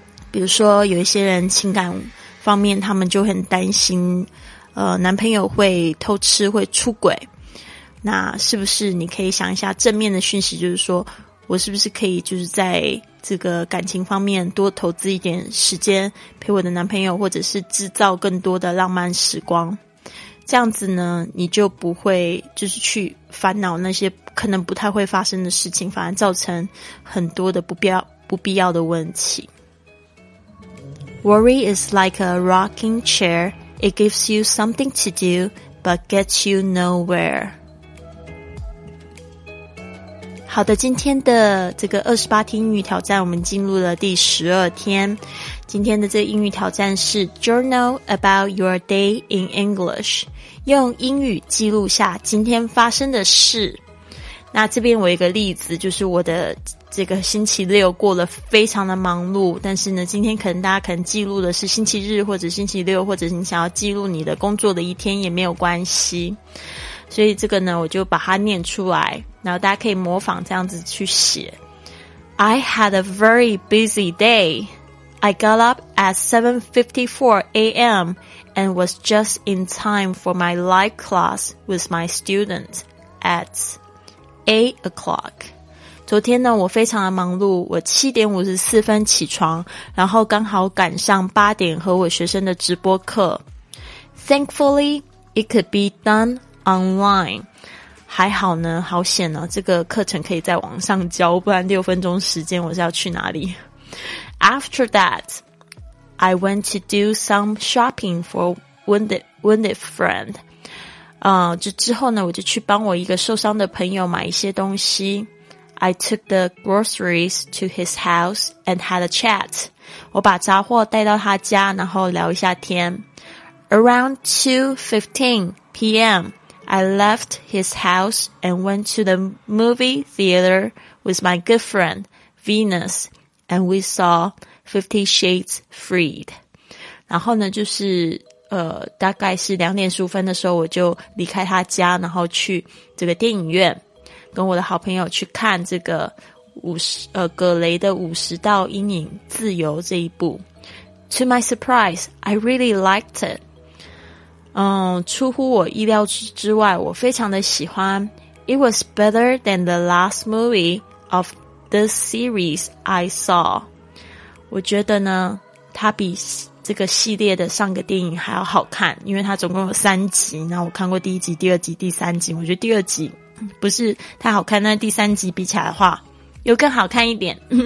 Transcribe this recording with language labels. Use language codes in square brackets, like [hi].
[zh] 比如说有一些人情感方面他们就很担心男朋友会偷吃会出轨，那是不是你可以想一下正面的讯息，就是说我是不是可以就是在这个感情方面多投资一点时间陪我的男朋友，或者是制造更多的浪漫时光，这样子呢你就不会就是去烦恼那些可能不太会发生的事情，反而造成很多的不必要的问题。 [en] Worry is like a rocking chair. It gives you something to do but gets you nowhere. [zh] 好的，今天的这个28天英语挑战我们进入了第12天。今天的这个英语挑战是 [en] Journal about your day in English， [zh] 用英语记录下今天发生的事。那这边我有一个例子，就是我的这个星期六过得非常的忙碌，但是呢今天可能大家可能记录的是星期日或者星期六，或者你想要记录你的工作的一天也没有关系，所以这个呢我就把它念出来，然后大家可以模仿这样子去写。 [en] I had a very busy day. I got up at 7:54 a.m. and was just in time for my live class with my student at 8 o'clock. [zh] 昨天呢，我非常的忙碌，我7点54分起床，然后刚好赶上8点和我学生的直播课。 [en] Thankfully, it could be done online. [zh] 还好呢，好险呢，这个课程可以在网上教，不然六分钟时间我是要去哪里。 [en] After that, I went to do some shopping for wounded friend. [zh] 之后呢，我就去帮我一个受伤的朋友买一些东西。 [en] I took the groceries to his house and had a chat. [zh] 我把杂货带到他家，然后聊一下天。 [en] Around 2:15 p.m. I left his house and went to the movie theater with my good friend, Venus, and we saw Fifty Shades Freed. [zh] 然后呢，就是大概是2:15的时候，我就离开他家，然后去这个电影院，跟我的好朋友去看这个葛雷的《五十道阴影：自由》这一部。 [en] To my surprise, I really liked it. [zh] 出乎我意料之外，我非常的喜欢。 [en] It was better than the last movie of this series I saw. [zh] 我觉得呢，它比这个系列的上个电影还要好看，因为它总共有三集，然后我看过第一集、第二集、第三集，我觉得第二集不是太好看，但第三集比起来的话，又更好看一点。